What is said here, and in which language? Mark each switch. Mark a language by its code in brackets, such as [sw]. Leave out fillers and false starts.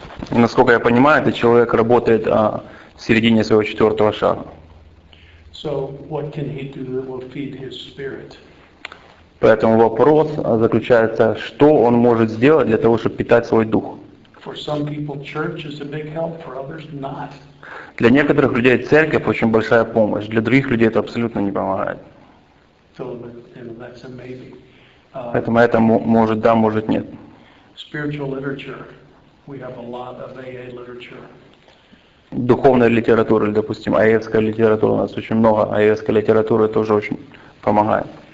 [ru] Насколько я понимаю, этот человек работает в середине своего четвертого шага. [en] So what can he do that will feed his spirit? [ru] Поэтому вопрос заключается, что он может сделать для того, чтобы питать свой дух. [en] For some people, church is a big help, for others, not. [ru] Для некоторых людей церковь очень большая помощь, для других людей это абсолютно не помогает. [en] So, you know, that's a maybe. [ru] Поэтому это может да, может нет. [en] Spiritual literature. We have a lot of AA literature. [ru] Духовная литература, или, допустим, АЭвская литература, у нас очень много, АЭвская литература тоже очень помогает.